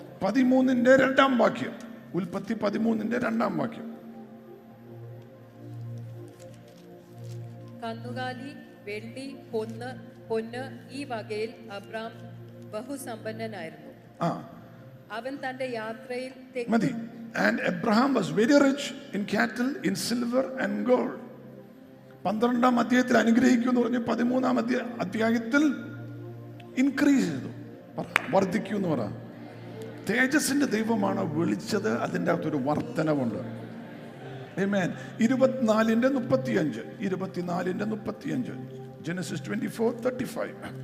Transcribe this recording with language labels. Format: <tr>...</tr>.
<ml>13-ന്റെ രണ്ടാം വാക്യം, ഉൽപ്പത്തി 13-ന്റെ രണ്ടാം വാക്യം. കന്നുകാലി, വെള്ളി, പൊന്ന് ഈ വകയിൽ അബ്രാം ബഹുസമ്പന്നനായിരുന്നു. അവൻ തന്റെ യാത്രയിൽ മതി.</ml> <en>And Abraham was very rich in cattle, in silver and gold.</en> <ml>12-ാം അധ്യായത്തിൽ അനുഗ്രഹിക്കുന്നു എന്ന് പറഞ്ഞു 13-ാം അധ്യായത്തിൽ ഇൻക്രീസ് ചെയ്തു, വർദ്ധിക്കൂ എന്ന് പറ. തേജസ്സിന്റെ ദൈവമാണ് വിളിച്ചത്, അതിൻ്റെ അകത്തൊരു വർധനവുണ്ട്. ആമേൻ. 24:35, 24:35, ജനസിസ് 24:35.</ml>